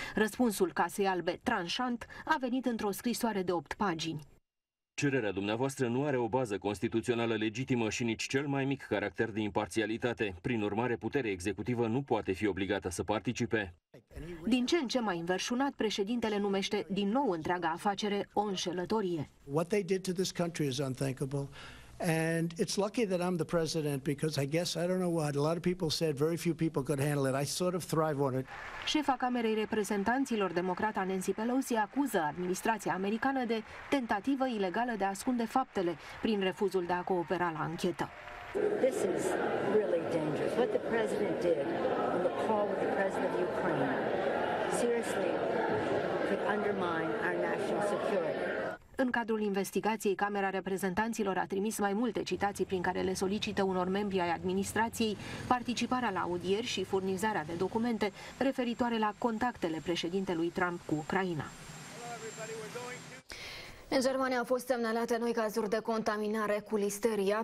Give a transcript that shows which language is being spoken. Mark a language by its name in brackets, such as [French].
[Romanian] Răspunsul Casei Albe, tranșant, a venit într-o scrisoare de 8 pagini. Cererea dumneavoastră nu are o bază constituțională legitimă și nici cel mai mic caracter de imparțialitate. Prin urmare, puterea executivă nu poate fi obligată să participe. Din ce în ce mai înverșunat, președintele numește din nou întreaga afacere o înșelătorie. [English] What they did to this country is unthinkable. And it's lucky that I'm the president, because I guess, I don't know what, a lot of people said very few people could handle it. I sort of thrive on it. [Romanian] Șefa Camerei Reprezentanților, democrata Nancy Pelosi, acuză administrația americană de tentativă ilegală de a ascunde faptele prin refuzul de a coopera la anchetă. [English] This is really dangerous. What the president did on the call with the president of Ukraine, seriously, could undermine our national security. [Romanian] În cadrul investigației, Camera Reprezentanților a trimis mai multe citații prin care le solicită unor membri ai administrației participarea la audieri și furnizarea de documente referitoare la contactele președintelui Trump cu Ucraina. În Germania au fost semnalate noi cazuri de contaminare cu listeria.